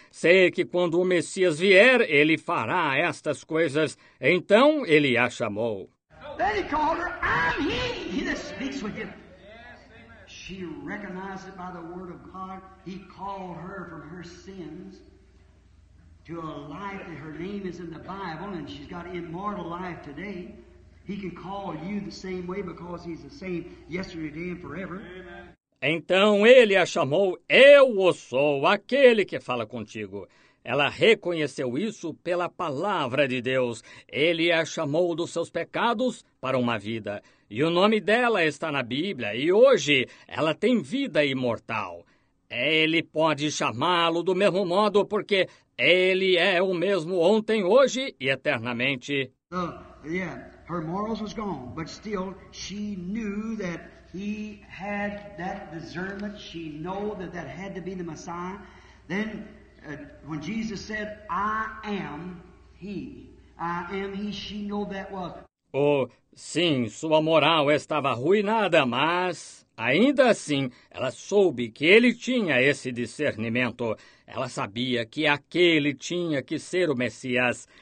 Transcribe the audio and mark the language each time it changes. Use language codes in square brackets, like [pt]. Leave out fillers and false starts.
[pt] Sei que quando o Messias vier, ele fará estas coisas. Então, ele a chamou. [en] Then he called her, I'm he that speaks with him. Yes, she recognized it by the word of God. He called her from her sins to a life that her name is in the Bible, and she's got immortal life today. He can call you the same way because he's the same yesterday, today, and forever. Amen. [pt] Então ele a chamou, eu o sou, aquele que fala contigo. Ela reconheceu isso pela palavra de Deus. Ele a chamou dos seus pecados para uma vida. E o nome dela está na Bíblia, e hoje ela tem vida imortal. Ele pode chamá-lo do mesmo modo, porque ele é o mesmo ontem, hoje e eternamente. [en] Her morals was gone, but still she knew that he had that discernment. She knew that that had to be the Messiah. Then when Jesus said, I am he, she knew that was. [pt] Oh, sim, sua moral estava arruinada, mas ainda assim ela soube que ele tinha esse discernimento. Ela sabia que aquele tinha que ser o Messias.